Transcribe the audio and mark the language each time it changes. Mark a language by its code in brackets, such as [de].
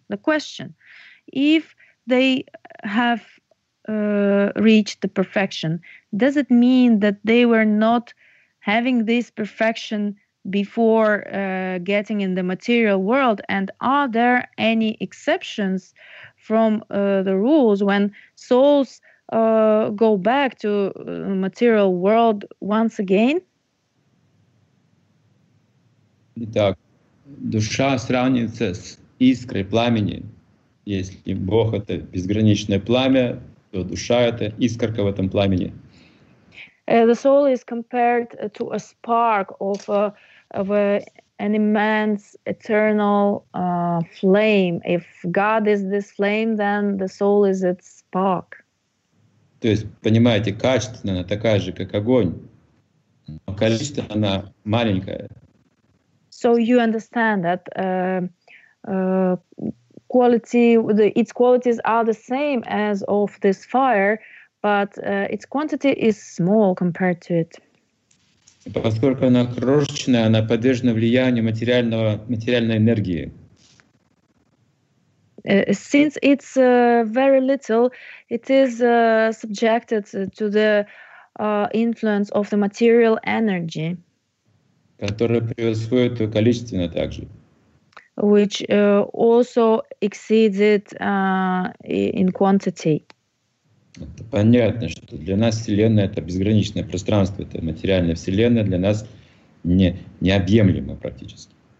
[en] The question, if they have reached the perfection, does it mean that they were not having this perfection before getting in the material world? And are there any exceptions from the rules when souls go back to the material world once again? [ru] Итак, душа сравнится с искрой пламени. Если Бог — это безграничное пламя, то душа — это искорка в этом пламени. [en] The soul is compared to a spark of an immense eternal flame. If God is this flame, then the soul is its spark. [ru] То есть, понимаете, качественно она такая же, как огонь, но количество она маленькое. [en] So you understand that its qualities are the same as of this fire, but its quantity is small compared to it. [ru] Поскольку она крошечная, она подвержена влиянию материальной энергии. [en] Since it's very little, it is subjected to the influence of the material energy, [ru] которая превосходит ее количественно также, [en] which also exceeds it in quantity. [ru] Это понятно, что для нас Вселенная — это безграничное пространство, это материальная Вселенная для нас необъемлема практически.